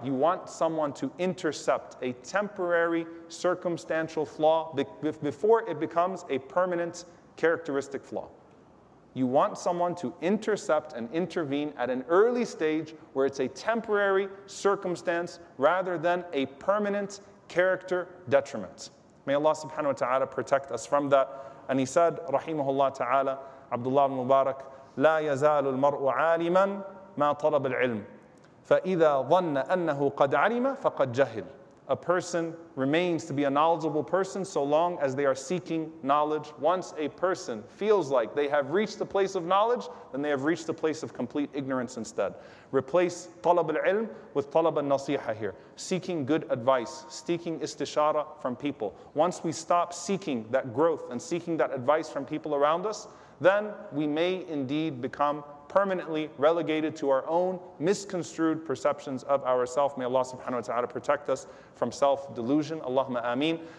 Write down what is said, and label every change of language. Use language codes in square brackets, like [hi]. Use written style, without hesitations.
[en] You want someone to intercept a temporary circumstantial flaw before it becomes a permanent characteristic flaw. You want someone to intercept and intervene at an early stage where it's a temporary circumstance rather than a permanent character detriment. May Allah subhanahu wa ta'ala protect us from that. And he said, rahimahullah ta'ala, Abdullah ibn Mubarak, [ar] لا يزال المرء عالما ما طلب العلم فإذا ظن أنه قد علم فقد جهل. [en] A person remains to be a knowledgeable person so long as they are seeking knowledge. Once a person feels like they have reached the place of knowledge, then they have reached the place of complete ignorance instead. Replace [ar] طلب العلم [en] with [ar] طلب النصيحة [en] here. Seeking good advice, seeking istishara from people. Once we stop seeking that growth and seeking that advice from people around us, then we may indeed become permanently relegated to our own misconstrued perceptions of ourselves. May Allah subhanahu wa ta'ala protect us from self-delusion. Allahumma ameen.